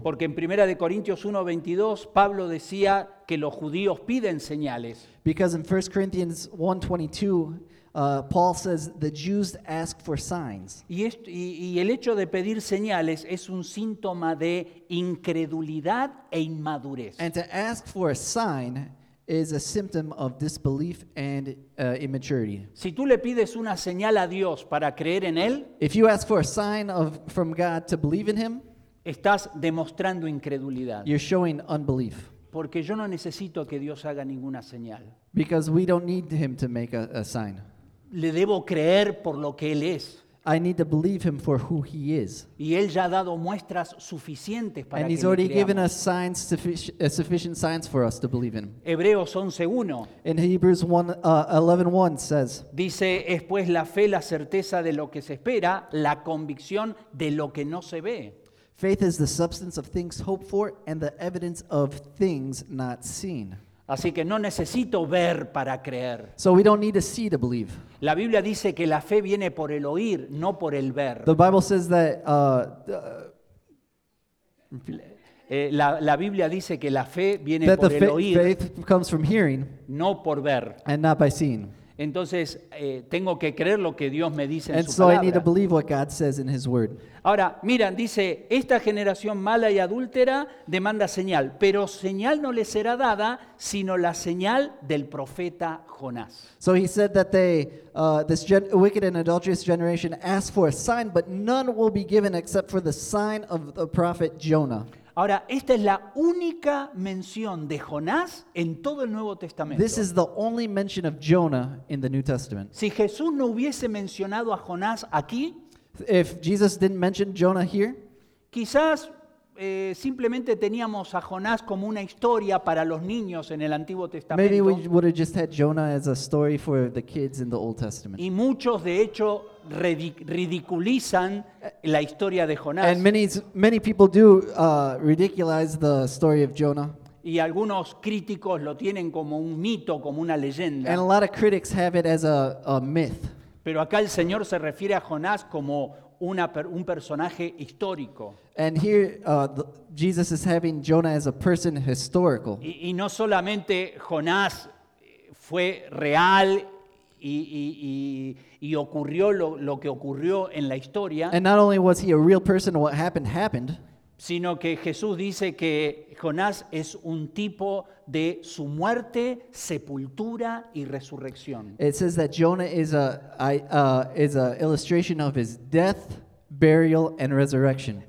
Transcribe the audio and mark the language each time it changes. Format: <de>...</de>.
<es>Porque en Primera de Corintios 1:22 Pablo decía que los judíos piden señales.</es> <en>Because in 1 Corinthians 1:22 Paul says the Jews ask for signs.</en> <es>Y el hecho de pedir señales es un síntoma de incredulidad e inmadurez.</es> <en>And to ask for a sign is a symptom of disbelief and immaturity.</en> <es>Si tú le pides una señal a Dios para creer en él,</es> <en>if you ask for a sign from God to believe in him,</en> <es>estás demostrando incredulidad.</es> <en>You're showing unbelief.</en> <es>Porque yo no necesito que Dios haga ninguna señal.</es> <en>Because we don't need him to make a sign.</en> <es>Le debo creer por lo que él es.</es> <en>I need to believe him for who he is.</en> <es>Y él ya ha dado muestras suficientes para</es> <en>And</en> <es>que</es> <en>he's already</en> <es>creamos.</es> <en>Given us signs, sufficient signs for us to believe in him.</en> <es>Hebreos 11:1.</es> <en>In Hebrews 11:1 says.</en> <es>Dice, es pues la fe la certeza de lo que se espera, la convicción de lo que no se ve.</es> <en>Faith is the substance of things hoped for and the evidence of things not seen.</en> <es>Así que no necesito ver para creer.</es> <en>So we don't need to see to believe.</en> <es>La Biblia dice que la fe viene por el oír, no por el ver.</es> <en>The Bible says that</en> <es>la Biblia dice que la fe viene por el oír.</es> <en>Faith comes from hearing,</en> <es>no por ver.</es> <en>And not by seeing.</en> <es>Entonces, tengo que creer lo que Dios me dice en su palabra.</es> <en>And so I need to believe what God says in his word.</en> <es>Ahora, miran, dice, esta generación mala y adúltera demanda señal, pero señal no le será dada, sino la señal del profeta Jonás.</es> <en>So he said that this wicked and adulterous generation asked for a sign, but none will be given except for the sign of the prophet Jonah.</en> <es>Ahora, esta es la única mención de Jonás en todo el Nuevo Testamento.</es> <en>This is the only mention of Jonah in the New Testament.</en> <es>Si Jesús no hubiese mencionado a Jonás aquí,</es> <en>if Jesus didn't mention Jonah here,</en> <es>quizás simplemente teníamos a Jonás como una historia para los niños en el Antiguo Testamento.</es> <en>Maybe we would have just had Jonah as a story for the kids in the Old Testament.</en> <es>Y muchos, de hecho, ridiculizan la historia de Jonás.</es> <en>And many people do ridiculize the story of Jonah.</en> <es>Y algunos críticos lo tienen como un mito, como una leyenda.</es> <en>And a lot of critics have it as a myth.</en> <es>Pero acá el Señor se refiere a Jonás como un personaje histórico.</es> <en>And here Jesus is having Jonah as a person historical.</en> <es>Y no solamente Jonás fue real y ocurrió lo que ocurrió en la historia.</es> <en>And not only was he a real person, what happened,</en> <es>sino que Jesús dice que Jonás es un tipo de su muerte, sepultura y resurrección.</es> <en>It says that Jonah is a illustration of his death, burial and resurrection.</en>